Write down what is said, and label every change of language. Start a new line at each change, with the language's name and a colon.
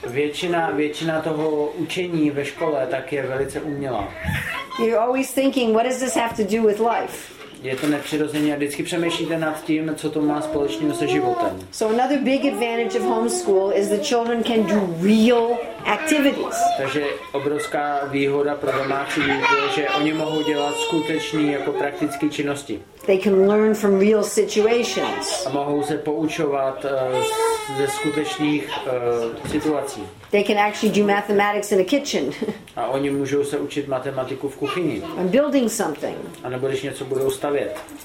Czech: Většina toho učení ve škole tak je velice umělá.
English: You're always thinking, what does this have to do with life?
Czech: Je to nepřirozeně a vždycky přemýšlíte nad tím, co to má společného se životem.
English: So another big advantage of homeschool is the children can do real activities.
Czech: Takže obrovská výhoda pro domácí výuku je, že oni mohou dělat skutečné jako praktické činnosti.
English: They can learn from real situations.
Czech: A mohou se poučovat ze skutečných situací.
English: They can actually do mathematics in a kitchen.
Czech: A oni můžou se učit matematiku v kuchyni.
English: I'm building something.
Czech: A nebo když něco budou stavět.